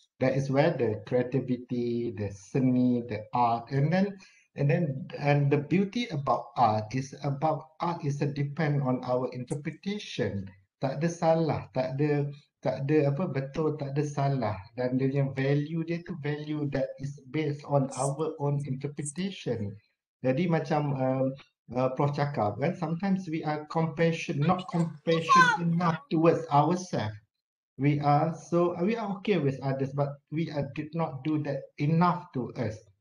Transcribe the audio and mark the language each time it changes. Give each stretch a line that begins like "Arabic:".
English: That is where the creativity, the seni, the art, and then the beauty about art is about art is a depend on our interpretation.
Malay: Tak ada salah, tak ada apa, betul, tak ada salah. Dan dia punya value dia tu
English: value that is based on our own interpretation.
Malay: Jadi macam Prof cakap kan,
English: sometimes we are not compassionate enough towards ourselves. We are okay with others, but did not do that enough to us.